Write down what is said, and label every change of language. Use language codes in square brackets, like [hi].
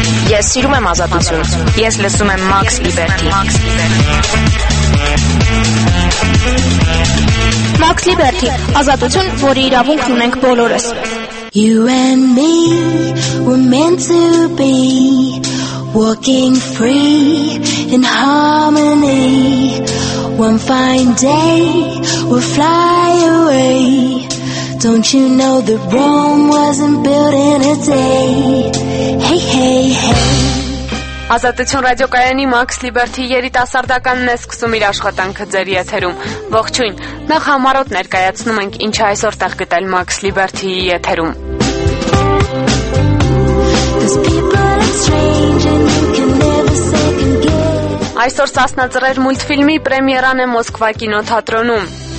[hy] Ես սիրում եմ ազատություն։ Ես լսում եմ Max Liberty. Max Liberty, ազատություն, որի իրավունքն ունենք բոլորս։ [en] You and me were meant to be walking free in harmony. One fine day we'll fly away. Don't you know that Rome wasn't built in a day? Hey, hey, hey. [hy] Ազատություն ռադիոկայանի Max Liberty-ի երիտասարդականն է սկսում իր աշխատանքը ձեր եթերում։ Ողջույն, նախ համառոտ ներկայացնում ենք, ինչ այսօր տեղ գտել Max Liberty-ի եթերում։ Այսօր Սասնածռեր մուլտֆիլմի պրեմիերան է Մոսկվա կինոթատրոնում։